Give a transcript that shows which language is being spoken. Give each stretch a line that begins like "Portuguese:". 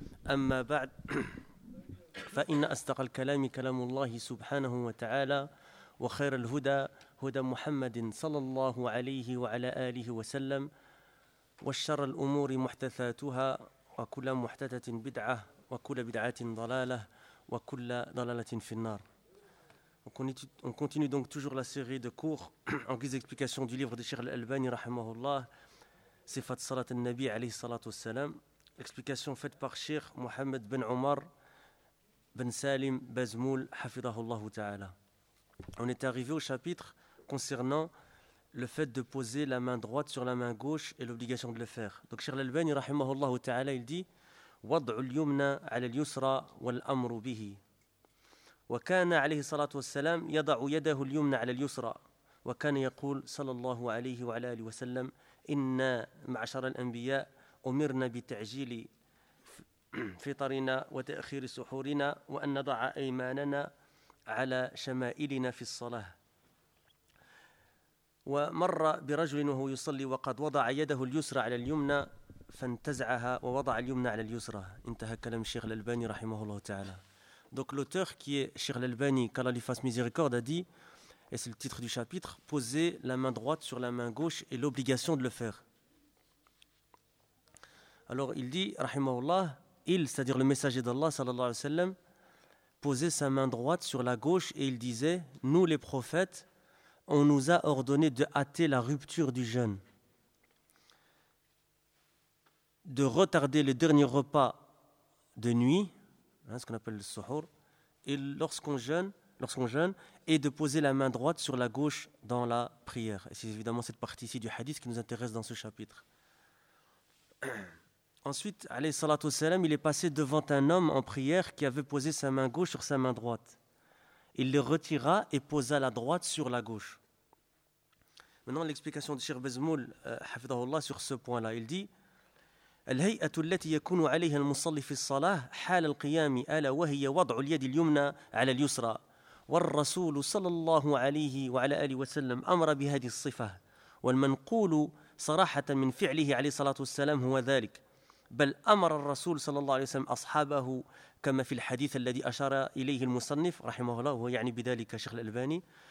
Arabic: أما بعد، فإن أصدق الكلام كلام الله سبحانه وتعالى، وخير الهدى هدى محمد صلى الله عليه وعلى آله وسلم، والشر الأمور محدثاتها، وكل محدثة بدعة، وكل بدعة ضلالة، وكل ضلالة في النار.
French: On continue donc toujours la série de cours en guise d'explication du livre de Cheikh Al-Albani, rahimahullah, Sifat Salat al-Nabi, alayhi salatu wassalam. L'explication faite par Cheikh Mohamed ben Omar ben Salim Bazmoul, hafidahullah ta'ala. On est arrivé au chapitre concernant le fait de poser la main droite sur la main gauche et l'obligation de le faire. Donc Cheikh Al-Albani, rahimahullah ta'ala, il dit
Arabic: « Wad'u l'yumna ala l'yusra wal amru bihi » وكان عليه الصلاة والسلام يضع يده اليمنى على اليسرى وكان يقول صلى الله عليه وعلى آله وسلم إن معشر الأنبياء أمرنا بتعجيل فطرنا وتأخير سحورنا وأن نضع أيماننا على شمائلنا في الصلاة. ومر برجل وهو يصلي وقد وضع يده اليسرى على اليمنى فانتزعها ووضع اليمنى على اليسرى. انتهى كلام الشيخ الألباني رحمه الله تعالى.
French: Donc l'auteur qui est Cheikh Al-Albani, qu'Allah lui fasse miséricorde, a dit, et c'est le titre du chapitre, « Poser la main droite sur la main gauche et l'obligation de le faire ». Alors il dit, « Rahimahullah, il, c'est-à-dire le messager d'Allah, sallallahu alayhi wa sallam, posait sa main droite sur la gauche et il disait, « Nous les prophètes, on nous a ordonné de hâter la rupture du jeûne, de retarder le dernier repas de nuit, ce qu'on appelle le suhur, et lorsqu'on jeûne, et de poser la main droite sur la gauche dans la prière. Et c'est évidemment cette partie-ci du hadith qui nous intéresse dans ce chapitre. Ensuite, alayhi salatu wassalam, il est passé devant un homme en prière qui avait posé sa main gauche sur sa main droite. Il le retira et posa la droite sur la gauche. Maintenant, l'explication de Cheikh Bazmoul, hafidahullah, sur ce point-là, il dit
Arabic: الهيئة التي يكون عليها المصلي في الصلاة حال القيام ألا وهي وضع اليد اليمنى على اليسرى والرسول صلى الله عليه وعلى آله وسلم أمر بهذه الصفة والمنقول صراحة من فعله عليه الصلاة والسلام هو ذلك بل أمر الرسول صلى الله عليه وسلم أصحابه كما في الحديث الذي أشار إليه المصنف رحمه الله وهو يعني بذلك شيخ الألباني